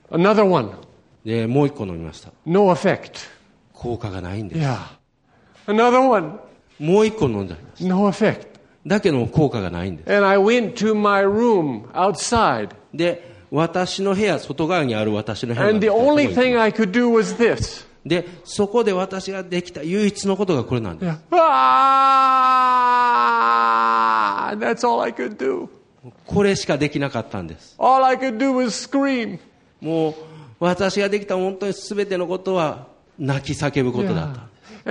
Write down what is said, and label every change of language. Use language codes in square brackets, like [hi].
[en] Another one. [ja] で、もう一個飲みました。 [en] No effect. [ja] 効果がないんです。 [en] Yeah. Another one. [ja] もう一個飲んだ。 [en] No effect. [ja] だけども効果がないんです。 [en] And I went to my room outside. [ja] で、私の部屋、外側にある私の部屋。 [en] And the only thing I could do was this. [ja] で、そこで私ができた唯一のことがこれなんです。 [en] Yeah. That's all I could do. [ja] これしかできなかったんです。 [en] All I could do was scream. [ja] もう私ができた本当に全てのことは泣き叫ぶことだった。